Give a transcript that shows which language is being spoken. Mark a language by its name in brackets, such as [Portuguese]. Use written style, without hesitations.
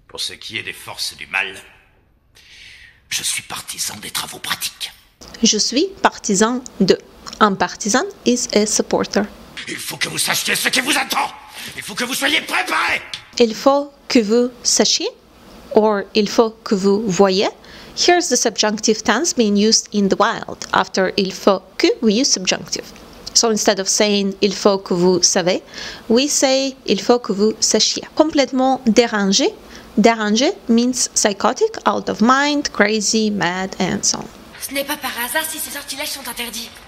[French] Pour ce qui est des forces du mal, je suis partisan des travaux pratiques. Je suis partisan de. Un partisan [English] is a supporter. [French] Il faut que vous sachiez ce qui vous attend. Il faut que vous soyez préparé. Il faut que vous sachiez or il faut que vous voyez. [English] Here's the subjunctive tense being used in the wild. After [French] il faut que, [English] we use subjunctive. So instead of saying [French] il faut que vous savez, [English] we say [French] il faut que vous sachiez. Complètement dérangé. Dérangé [English] means psychotic, out of mind, crazy, mad, and so on. [French] Ce n'est pas par hasard si ces sortilèges sont interdits.